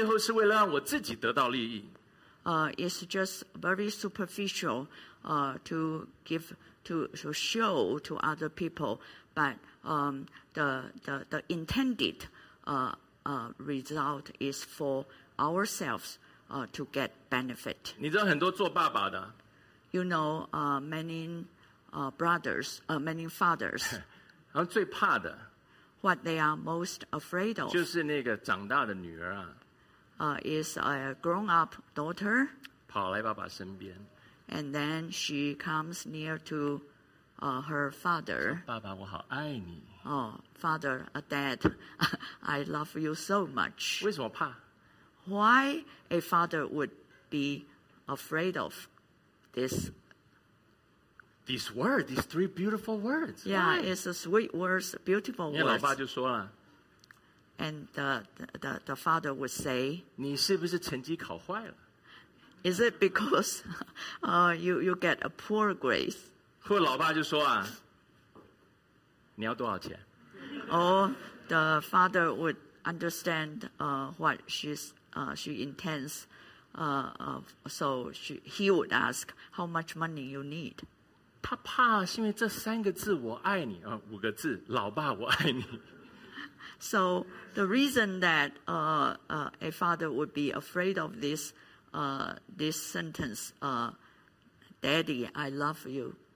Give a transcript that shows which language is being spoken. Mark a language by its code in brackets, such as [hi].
[zh] 只是做表面功夫，然后甚至最后是为了让我自己得到利益。 [en] It's just very superficial to show to other people, but the intended result is for ourselves to get benefit. [zh] 你知道很多做爸爸的, [en] you know, many brothers, many fathers, [zh] 然后最怕的, [en] what they are most afraid of, [zh] 就是那个长大的女儿啊。 [en] Is a grown-up daughter, [zh] 跑来爸爸身边, [en] and then she comes near to her father. [zh] 说爸爸我好爱你, [en] oh, father, dad, I love you so much. [zh] 为什么怕? [en] Why a father would be afraid of this word, these three beautiful words? Yeah, why? It's a sweet words, beautiful words. [zh] 因为老爸就说了, [en] and the father would say, [zh] 你是不是成绩考坏了? [en] Is it because you get a poor grade? [zh] 或老爸就说啊, 你要多少钱? [en] Or the father would understand what she intends. So he would ask, how much money you need? [zh] 他怕是因为这三个字我爱你, 五个字, 老爸我爱你。 [en] So the reason that a father would be afraid of this this sentence, Daddy, I love you.